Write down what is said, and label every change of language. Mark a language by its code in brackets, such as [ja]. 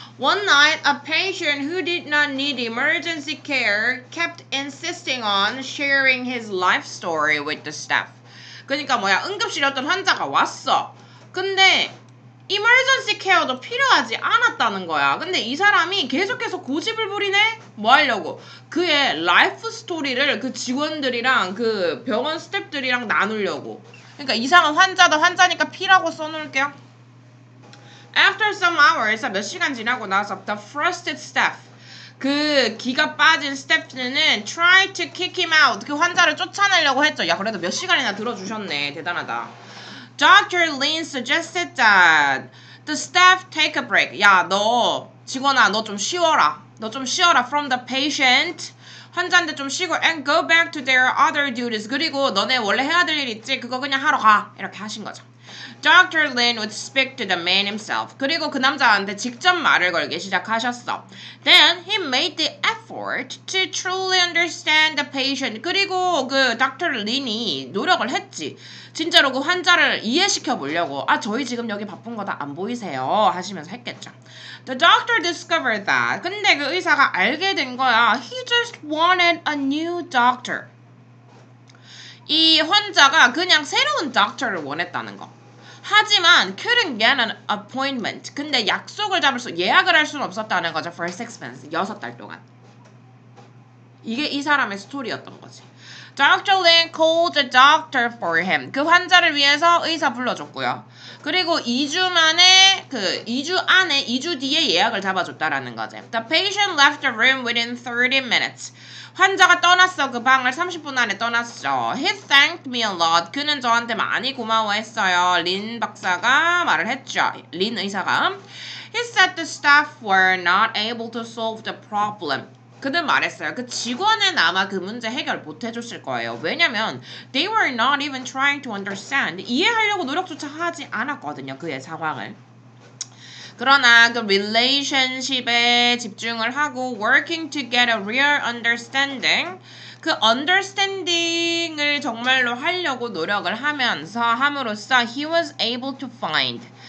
[en] One night, a patient who did not need emergency care kept insisting on sharing his life story with the staff. [ko] 그러니까 뭐야? 응급실에 어떤 환자가 왔어. 근데 emergency care도 필요하지 않았다는 거야. 근데 이 사람이 계속해서 고집을 부리네? 뭐 하려고? 그의 life story를 그 직원들이랑 그 병원 스태프들이랑 나누려고. 그러니까 이상한 환자다. 환자니까 피라고 써놓을게요. [en] After some hours, [ko] 몇 시간 지나고 나서 [en] the frustrated staff, [ko] 그 기가 빠진 스태프는 [en] try to kick him out, [ko] 그 환자를 쫓아내려고 했죠. 야, 그래도 몇 시간이나 들어주셨네. 대단하다. Dr. [en] Lane suggested that the staff take a break. [ko] 야, 너 직원아, 너 좀 쉬어라. 너 좀 쉬어라 [en] from the patient. [ko] 환자한테 좀 쉬고 [en] and go back to their other duties. [ko] 그리고 너네 원래 해야 될 일 있지? 그거 그냥 하러 가. 이렇게 하신 거죠. [en] Dr. Lane would speak to the man himself. [ko] 그리고 그 남자한테 직접 말을 걸기 시작하셨어. [en] Then he made the effort to truly understand the patient. [ko] 그리고 그 Dr. Lane이 노력을 했지. 진짜로 그 환자를 이해시켜 보려고. 아, 저희 지금 여기 바쁜 거 다 안 보이세요? 하시면서 했겠죠. [en] The doctor discovered that. [ko] 근데 그 의사가 알게 된 거야. [en] He just wanted a new doctor. [ko] 이 환자가 그냥 새로운 닥터를 원했다는 거. 하지만 [en] couldn't get an appointment. [ko] 근데 약속을 잡을 수, 예약을 할 수는 없었다는 거죠. [en] For 6 months, [ko] 6달 동안. 이게 이 사람의 스토리였던 거지. [en] Dr. Lin called the doctor for him. [ko] 그 환자를 위해서 의사 불러줬고요. 그리고 2주 만에, 그 2주 안에, 2주 뒤에 예약을 잡아줬다라는 거지. [en] The patient left the room within 30 minutes. [ko] 환자가 떠났어. 그 방을 30분 안에 떠났어. [en] He thanked me a lot. [ko] 그는 저한테 많이 고마워했어요. 린 박사가 말을 했죠. 린 의사가. [en] He said the staff were not able to solve the problem. [ko] 그는 말했어요. 그 직원은 아마 그 문제 해결 못 해줬을 거예요. 왜냐면 [en] they were not even trying to understand. [ko] 이해하려고 노력조차 하지 않았거든요. 그의 상황을. 그러나 그 relationship에 집중을 하고 [en] working to get a real understanding, [ko] 그 understanding을 정말로 하려고 노력을 하면서 함으로써 [en] he was able to find.